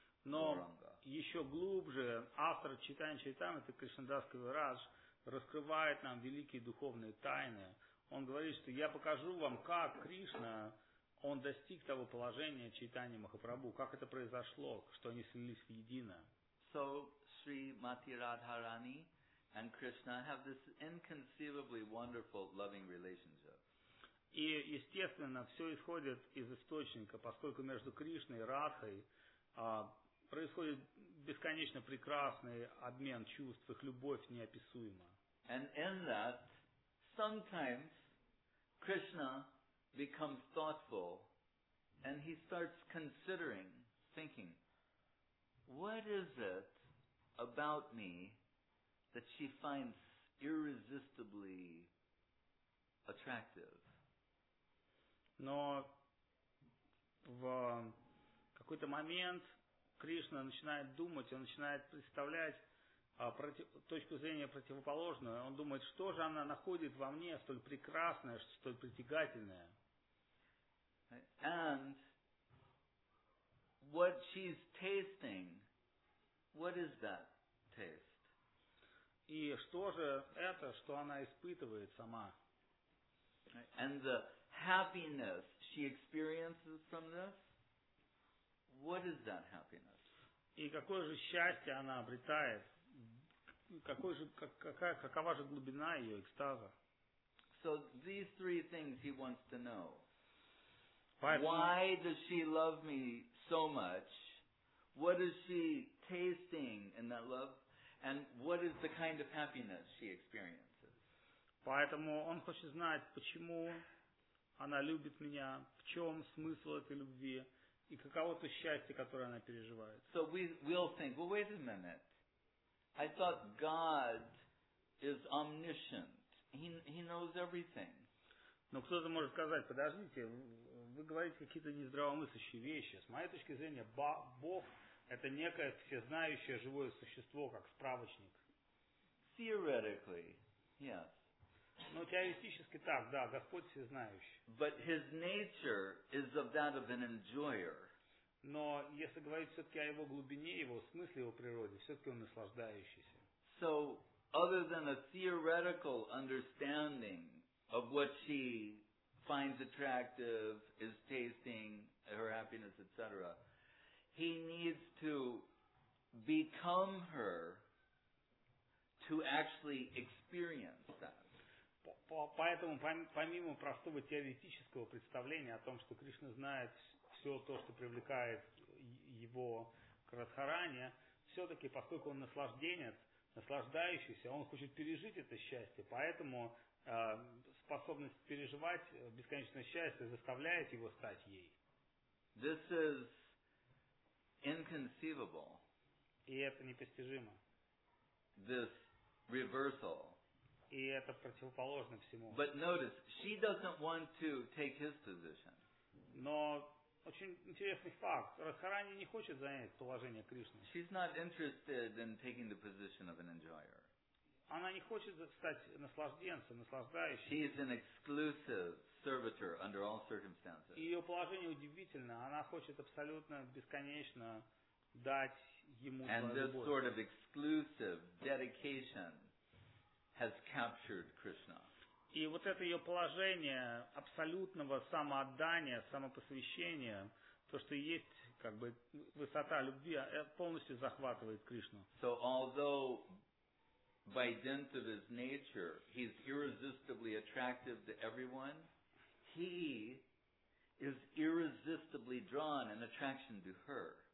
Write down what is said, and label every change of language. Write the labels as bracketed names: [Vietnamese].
[Russian] Но еще глубже автор Чайтанья Чаритамриты Кришнадас Кавирадж раскрывает нам великие духовные тайны. Он говорит, что я покажу вам, как Кришна он достиг того положения Чайтанья Махапрабху, как это произошло, что они слились в едино. [English] So Sri Mati Radharani and Krishna have this inconceivably wonderful loving relationship. [Russian] И естественно, все исходит из источника, поскольку между Кришной и Радхой происходит бесконечно прекрасный обмен чувств, их любовь неописуема. [English] And in that, sometimes Krishna becomes thoughtful and he starts considering, thinking, what is it about me that she finds irresistibly attractive. [Russian] Но в какой-то момент Кришна начинает думать, он начинает представлять точку зрения противоположную. Он думает, что же она находит во мне столь прекрасное, столь притягательное. [English] And what she's tasting, what is that taste? [Russian] И что же это, что она испытывает сама? [English] And the happiness she experiences from this, what is that happiness? [Russian] И какое же счастье она обретает? Какова же глубина ее экстаза? [English] So these three things he wants to know. Why does she love me so much? What is she tasting in that love? And what is the kind of happiness she experiences? [Russian] Поэтому он хочет знать, почему она любит меня, в чем смысл этой любви и каково то счастье, которое она переживает. [English] So we will think, well, wait a minute. I thought God is omniscient. He knows everything. [Russian] Но кто-то может сказать, подождите, вы говорите какие-то нездравомыслящие вещи. С моей точки зрения, Бог это некое всезнающее живое существо, как справочник. [English] Theoretically, yes. [Russian] Но теоретически так, да, Господь всезнающий. [English] But his nature is of that of an enjoyer. [Russian] Но если говорить все-таки о его глубине, его смысле, его природе, все-таки он наслаждающийся. [English] So, other than a theoretical understanding of what she finds attractive, is tasting, her happiness, etc., he needs to become her to actually experience that. [Russian] Поэтому, помимо простого теоретического представления о том, что Кришна знает все то, что привлекает его к Радхарани, все-таки, поскольку он наслажденец, наслаждающийся, он хочет пережить это счастье, поэтому способность переживать бесконечное счастье заставляет его стать ей. [English] This is inconceivable. [Russian] И это непостижимо. [English] This reversal. [Russian] И это противоположно всему. [English] But notice, she doesn't want to take his position. [Russian] Но очень интересный факт. Радхарани не хочет занять положение Кришны. [English] She's not interested in taking the position of an enjoyer. [Russian] Она не хочет стать наслажденцем, наслаждающим. [English] She is an exclusive servitor under all circumstances. [Russian] Ее положение удивительно. Она хочет абсолютно бесконечно дать ему свою любовь. [English] And this sort of exclusive dedication has captured Krishna. [Russian] И вот это ее положение абсолютного самоотдания, самопосвящения, то, что есть как бы высота любви, полностью захватывает Кришну. [English] So although by dint of his nature he's irresistibly attractive to everyone, he is irresistibly drawn in attraction to her.